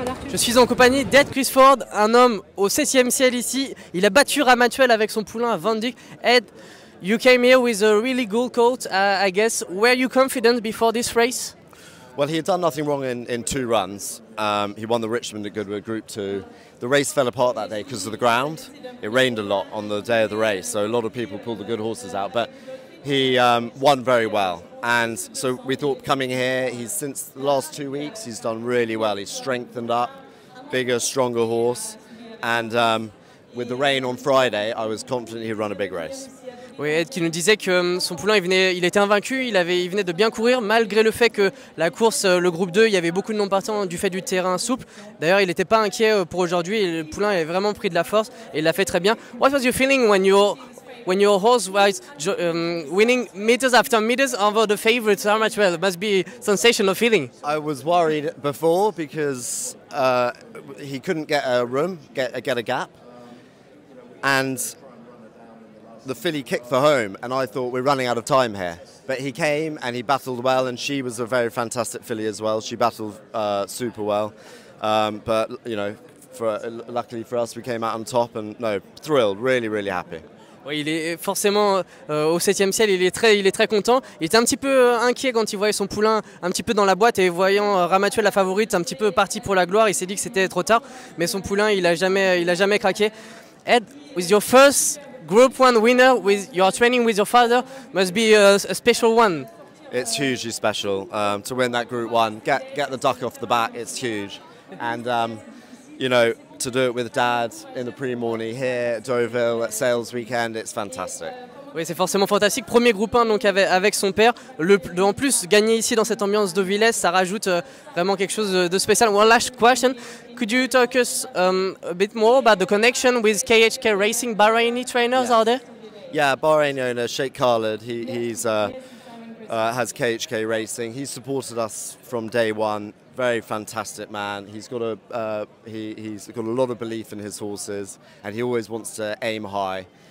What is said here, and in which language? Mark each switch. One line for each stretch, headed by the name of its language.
French: Je suis en compagnie d'Ed Crisford, un homme au 7e ciel ici. Il a battu Ramatuel avec son poulain Vandeek.
English: Ed, you came here with a really good coat, I guess. Were you confident before this race? Well, he had done nothing wrong in two runs. He won the Richmond at Goodwood Group 2. The race fell apart that day because of the ground. It rained a lot on the day of the race, so a lot of people pulled the good horses out. But he won very well. And so we thought coming here, he's since the last 2 weeks, he's done really well. He's strengthened up, bigger, stronger horse. And with the rain on Friday, I was confident he'd run a big race.
French: Oui, Ed qui nous disait que son poulain, il était invaincu, il venait de bien courir, malgré le fait que la course, le groupe 2, il y avait beaucoup de non-partants du fait du terrain souple. D'ailleurs, il n'était pas inquiet pour aujourd'hui, le poulain avait vraiment pris de la force et il l'a fait très bien.
English: What was your feeling when your horse was winning meters after meters over the favorite Ramatuel? It must be a sensational feeling. I was worried before because he couldn't get a room, get a gap. And the filly kicked for home, and I thought we're running out of time here. But he came and he battled well, and she was a very fantastic filly as well. She battled super well. But, you know, luckily for us, we came out on top, and no, thrilled, really, really happy.
French: Oui, il est forcément au 7e ciel, il est très content. Il était un petit peu inquiet quand il voyait son poulain un petit peu dans la boîte et voyant Ramatuel la favorite un petit peu parti pour la gloire, il s'est dit que c'était trop tard. Mais son poulain, il a jamais craqué.
English: Ed, with your first Group 1 winner, with your training with your father, must be a special one. It's hugely special to win that Group 1. Get the duck off the back, it's huge. And, you know, to do it with Dad in the Prix Morny here at Deauville at sales weekend, it's fantastic.
French: Oui, c'est forcément fantastique. Premier Group 1 donc avec son père. En plus, gagner ici dans cette ambiance de Villers, ça rajoute vraiment quelque chose de spécial.
English: One last question. Could you talk us a bit more about the connection with KHK Racing Bahraini trainers out there? Yeah, Bahraini owner Sheikh Khalid, has KHK Racing. He supported us from day one. Very fantastic man. He's got a lot of belief in his horses, and he always wants to aim high.